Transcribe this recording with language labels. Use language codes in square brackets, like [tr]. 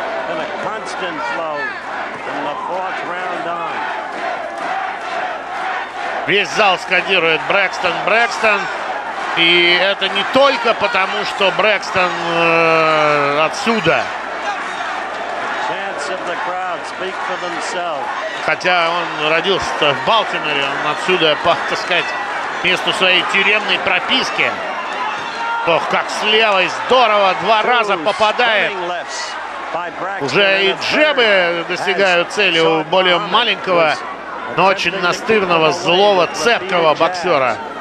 [en] And a constant flow from the fourth round on. [ru] Весь зал скандирует Брэкстон, Брэкстон. И это не только потому, что Брэкстон отсюда. [en] Chants of the crowd speak for themselves. [ru] Хотя он родился в Балтиморе, он отсюда, по, так сказать, месту своей тюремной прописки. Ох, как с левой, здорово, два раза попадает. Уже и джебы достигают цели у более маленького, но очень настырного, злого, цепкого боксера.